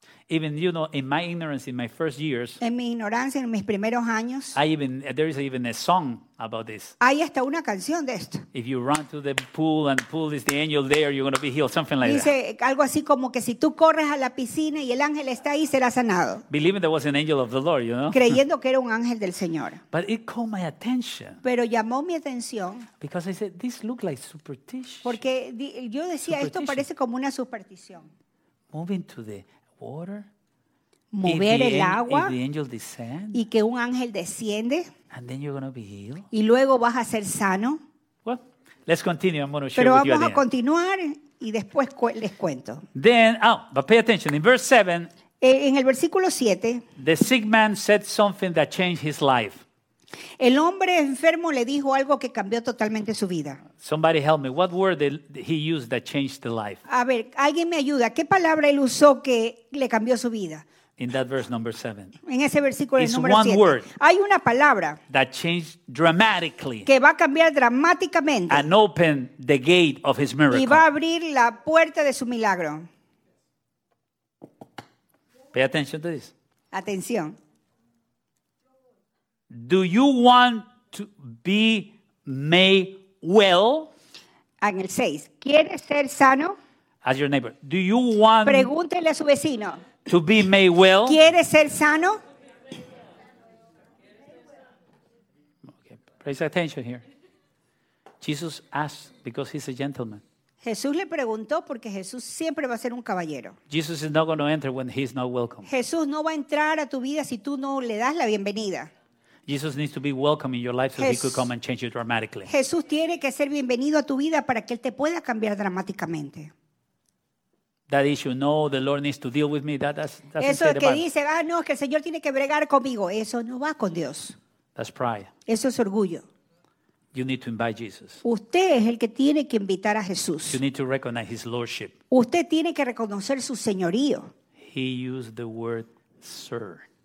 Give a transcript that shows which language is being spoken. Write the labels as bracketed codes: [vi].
[en] Even, you know, in my ignorance, in my first years, [es] en mi ignorancia, en mis primeros años, [en] there is even a song about this. [es] Hay hasta una canción de esto. [en] If you run to the pool and the pool is the angel there, you're going to be healed, something like [es] dice [en] that. [es] Algo así como que si tú corres a la piscina y el ángel está ahí, serás sanado. [en] Believing there was an angel of the Lord, you know? [es] Creyendo que era un ángel del Señor. [en] But it caught my attention. [es] Pero llamó mi atención. [en] Because I said, this looks like superstition. [es] Porque yo decía, esto parece como una superstición. [en] Moving to the water, [es] mover el agua, [en] if the angel descend, [es] y que un ángel desciende, [en] and then you're gonna be healed. [es] Y luego vas a ser sano. [en] Well, let's continue. I'm gonna share [es] pero vamos [en] with you [es] a continuar y después les cuento. [en] Then, oh, but pay attention. In verse 7, [es] en el versículo 7, [en] the sick man said something that changed his life. [es] El hombre enfermo le dijo algo que cambió totalmente su vida. [en] Somebody help me. What word did he use that changed the life? [es] A ver, alguien me ayuda. ¿Qué palabra él usó que le cambió su vida? [en] In that verse number 7. [es] En ese versículo [en] it's [es] número 7. [en] Word. [es] Hay una palabra. [en] That changed dramatically. [es] Que va a cambiar dramáticamente. [en] And open the gate of his miracle. [es] Y va a abrir la puerta de su milagro. [en] Pay attention to this. [es] Atención. [en] Do you want to be made well? [es] En el 6. ¿Quieres ser sano? [en] Ask your neighbor. Do you want [es] pregúntele a su vecino. [en] To be made well? [es] ¿Quieres ser sano? [en] Okay. Pay attention here. Jesus asked because he's a gentleman. [es] Jesús le preguntó porque Jesús siempre va a ser un caballero. [en] Jesus is not going to enter when he's not welcome. [es] Jesús no va a entrar a tu vida si tú no le das la bienvenida. [en] Jesus needs to be welcome in your life so he could come and change you dramatically. [es] Jesús tiene que ser bienvenido a tu vida para que él te pueda cambiar dramáticamente. [en] That issue, no, the Lord needs to deal with me. That's [es] eso que dice, ah, no, es que el Señor tiene que bregar conmigo. Eso no va con Dios. [en] That's pride. [es] Eso es orgullo. [en] You need to invite Jesus. [es] Usted es el que tiene que invitar a Jesús. [en] You need to recognize his lordship. [es] Usted tiene que reconocer su señorío. [en] He used the word sir.